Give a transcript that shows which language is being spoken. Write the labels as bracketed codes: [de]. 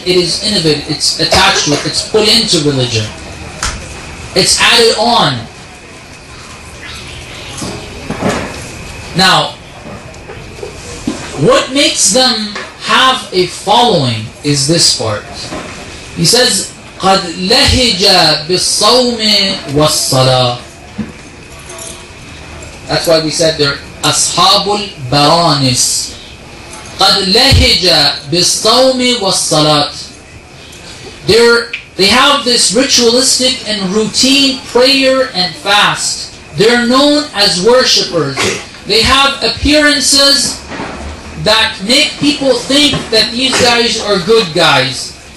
[en] It is innovative, it's attached to it, it's put into religion. It's added on. Now, what makes them have a following is this part. He says, [ar] قَدْ لَهِجَ بِالصَّوْمِ وَالصَّلَاةِ. [en] That's why we said they're [ar] أَصْحَابُ الْبَرَانِسِ. قَدْ لَهِجَ بِالصَّوْمِ وَالصَّلَاةِ. [en] They have this ritualistic and routine prayer and fast. They're known as worshippers. They have appearances that make people think that these guys are good guys.